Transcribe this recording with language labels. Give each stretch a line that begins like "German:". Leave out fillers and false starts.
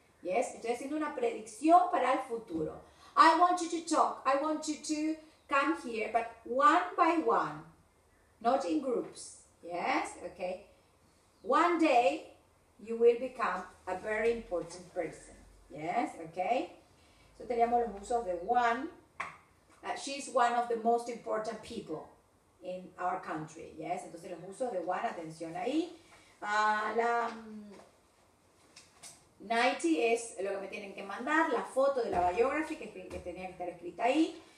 Spanish: Yes, estoy haciendo una predicción para el futuro.
English: I want you to talk, I want you to come here, but one by one, not in groups. Yes, okay. One day, you will become a very important person.
Spanish: Yes, okay. So, teníamos los usos de one.
English: She's one of the most important people in our country.
Spanish: Yes, entonces los usos de one, atención ahí. La 90 es lo que me tienen que mandar, la foto de la biography que tenía que estar escrita ahí.